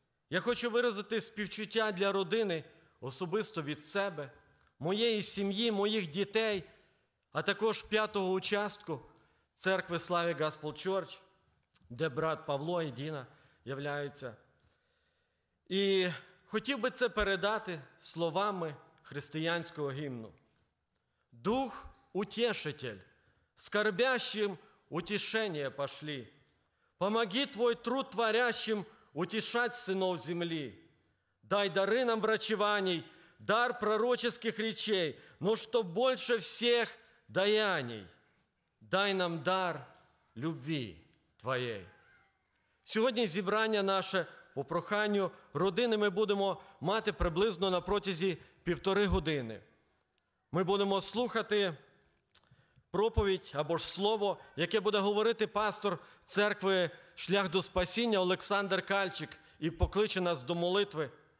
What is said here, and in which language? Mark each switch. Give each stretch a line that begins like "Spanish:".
Ukrainian: Я хочу виразити співчуття для родини особисто від себе, моєї сім'ї, моїх дітей, а також п'ятого участку церкви Slavic Gospel Church, де брат Павло і Діна являються. І хотів би це передати словами християнського гімну. Дух утішитель, скорбящим утішення пошли.
Russian: Помоги твой труд творящим
Ukrainian: утішать синов землі.
Russian: Дай дары нам врачеваний, дар пророческих речей, но что больше всех даяний, дай нам дар любви твоєї.
Ukrainian: Сьогодні зібрання наше по проханню родини ми будемо мати приблизно на протязі півтори години. Ми будемо слухати проповідь або ж слово, яке буде говорити пастор церкви «Шлях до спасіння» Олександр Кальчик і покличе нас до молитви.